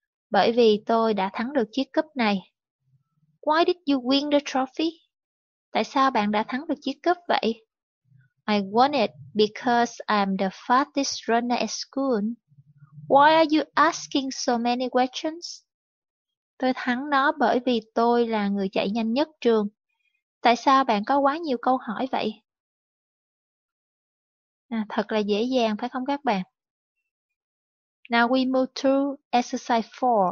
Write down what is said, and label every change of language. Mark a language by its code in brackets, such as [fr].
[vi] Bởi vì tôi đã thắng được chiếc cúp này. [en] Why did you win the trophy? [vi] Tại sao bạn đã thắng được chiếc cúp vậy? [en] I won it because I'm the fastest runner at school. Why are you asking so many questions? [vi] Tôi thắng nó bởi vì tôi là người chạy nhanh nhất trường. Tại sao bạn có quá nhiều câu hỏi vậy? À, thật là dễ dàng phải không các bạn? [en] Now we move to exercise 4.